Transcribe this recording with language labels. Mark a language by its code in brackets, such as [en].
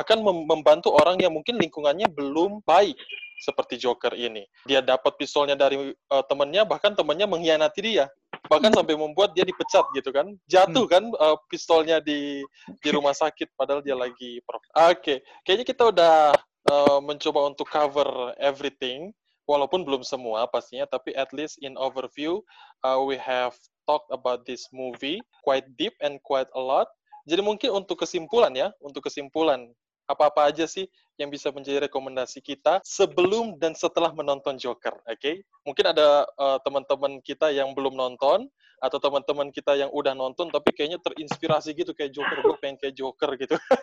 [id] Bahkan membantu orang yang mungkin lingkungannya belum baik, seperti Joker ini. Dia dapat pistolnya dari temannya, bahkan temannya mengkhianati dia. Bahkan sampai membuat dia dipecat gitu kan. Jatuh kan pistolnya di rumah sakit padahal dia lagi prof. Oke, okay. Kayaknya kita udah mencoba untuk [en] cover everything. [id] Walaupun belum semua pastinya, tapi [en] at least in overview, we have talked about this movie quite deep and quite a lot. [id] Jadi mungkin untuk kesimpulan ya, apa-apa aja sih yang bisa menjadi rekomendasi kita sebelum dan setelah menonton Joker, oke? Okay? Mungkin ada teman-teman kita yang belum nonton, atau teman-teman kita yang udah nonton, tapi kayaknya terinspirasi gitu, kayak Joker, gue pengen kayak Joker gitu.